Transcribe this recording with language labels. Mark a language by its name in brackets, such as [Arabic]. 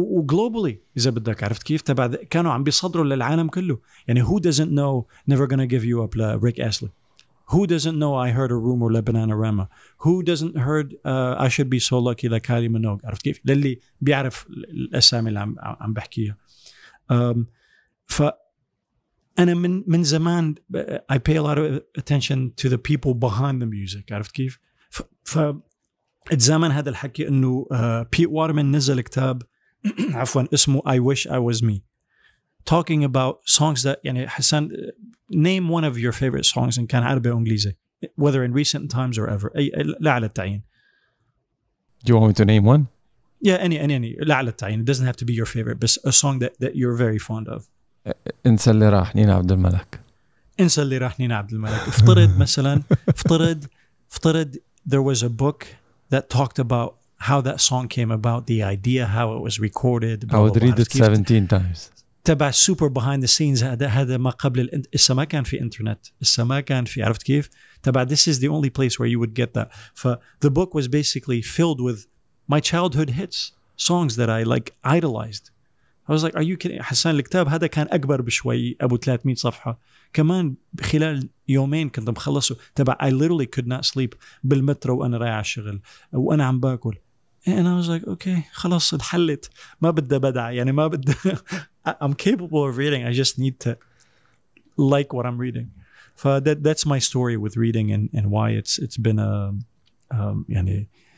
[Arabic] Globally, إذا بدك عرفت كيف؟ تبع كانوا عم بيصدروا للعالم كله. [English] يعني who doesn't know Never Gonna Give You Up لRick Astley? Who doesn't know I Heard a Rumor لBananarama? Who doesn't heard I Should Be So Lucky لKylie Minogue? [Arabic] عرفت كيف؟ للي بيعرف الأسامي اللي عم بحكيها. أنا من زمان [English] I pay a lot of attention to the people behind the music. [Arabic] عرفت كيف؟ فاتزامن هذا الحكي أنه Pete Waterman نزل كتاب عفوا اسمه I Wish I Was Me [English] talking about songs that [Arabic] يعني حسان [English] name one of your favorite songs in [Arabic] كان عربي أو إنجليزي [English] whether in recent times or ever. [Arabic] أي لا على التعيين. [English] Do you want me to name one? Yeah, any لا على التعيين. It doesn't have to be your favorite but a song that you're very fond of. [Arabic] انسى اللي راح نينا عبد الملك. انسى اللي راح نينا عبد الملك. افترض مثلا افترض [English] there was a book that talked about how that song came about, the idea, how it was recorded. I would read it 17 times. تبع super behind the scenes. [Arabic] هذا ما قبل إسا ما كان في انترنت، إسا ما كان في، عرفت كيف؟ تبع [English] this is the only place where you would get that. The book was basically filled with my childhood hits, songs that I like idolized. I was like, are you kidding? [Arabic] حسان الكتاب هذا كان أكبر بشوي، أبو 300 صفحة. كمان خلال يومين كنت مخلصه. تبع [English] I literally could not sleep [Arabic] بالمترو وأنا رايح على الشغل وأنا عم باكل. [English] And I was like, okay, [Arabic] خلاص انحلت. ما بدي بدع يعني ما بدي. [English] I'm capable of reading. I just need to like what I'm reading. That's my story with reading and why it's been a يعني.